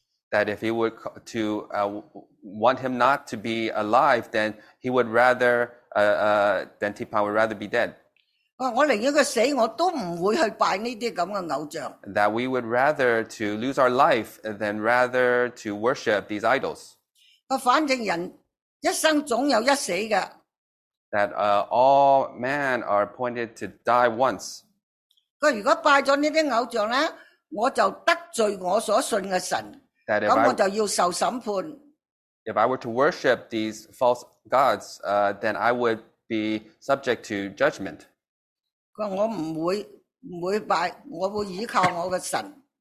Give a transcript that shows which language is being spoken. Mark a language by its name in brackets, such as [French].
[English] That if he would to want him not to be alive, then he would rather than Tipang would rather be dead. [Cantonese] 我宁愿佢死，我都唔会去拜呢啲咁嘅偶像。 [English] That we would rather to lose our life than rather to worship these idols. [Cantonese] 反正人一生总有一死嘅。 [English] That all men are appointed to die once. [Cantonese] 佢如果拜咗呢啲偶像咧，我就得罪我所信嘅神，咁我就要受审判。 [English] If I were to worship these false gods, then I would be subject to judgment. [Cantonese] 佢话我唔会拜，我会依靠我嘅神。